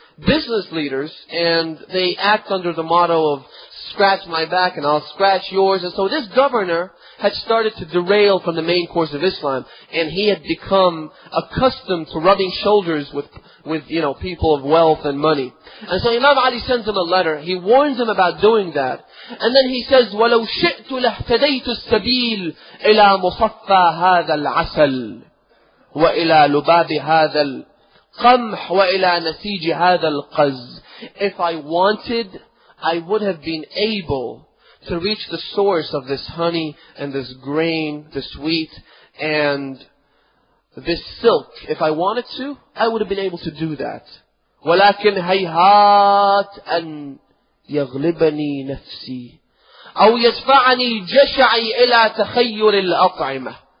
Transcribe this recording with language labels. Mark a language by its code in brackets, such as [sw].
[en] business leaders, and they act under the motto of scratch my back and I'll scratch yours. And so this governor had started to derail from the main course of Islam, and he had become accustomed to rubbing shoulders with you know, people of wealth and money. And so Imam Ali sends him a letter. He warns him about doing that. And then he says, [ar] وَلَوْ شِئْتُ لَهْتَدَيْتُ السَّبِيلِ إِلَى مُصَفَّى هَذَا الْعَسَلِ وَإِلَى لُبَابِ هَذَا الْقَمْحِ وَإِلَى نَسِيجِ هَذَا الْقَزِ. [en] If I wanted, I would have been able to reach the source of this honey and this grain, this wheat, and this silk. If I wanted to, I would have been able to do that. [ar] وَلَكِنْ هَيْهَاتْ أَنْ يَغْلِبَنِي نَفْسِي أَوْ يَدْفَعَنِي جَشَعِي إِلَى تَخَيُّرِ الْأَطْعِمَةِ.